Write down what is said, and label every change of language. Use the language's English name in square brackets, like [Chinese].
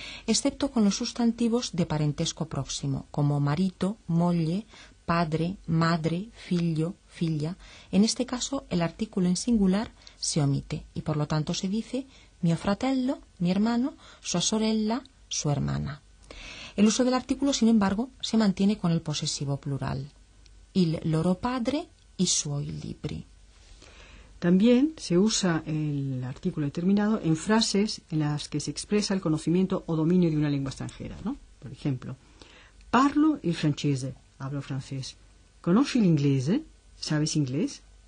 [Spanish] Excepto con los sustantivos de parentesco próximo, como marito, moglie, padre, madre, figlio, figlia. En este caso, el artículo en singular se omite y por lo tanto se dice [Italian] mio fratello, [Spanish] mi hermano, [Italian] sua sorella, [Spanish] su hermana. El uso del artículo, sin embargo, se mantiene con el posesivo plural. [Italian] Il loro padre, i suoi libri. [Spanish] También se usa el artículo determinado en frases en las que se expresa el conocimiento o dominio de una lengua extranjera, ¿no? Por ejemplo, [Italian] parlo il francese, [Spanish] hablo francés. [Italian] ¿Conosci l'inglese? [Spanish] ¿Sabes inglés?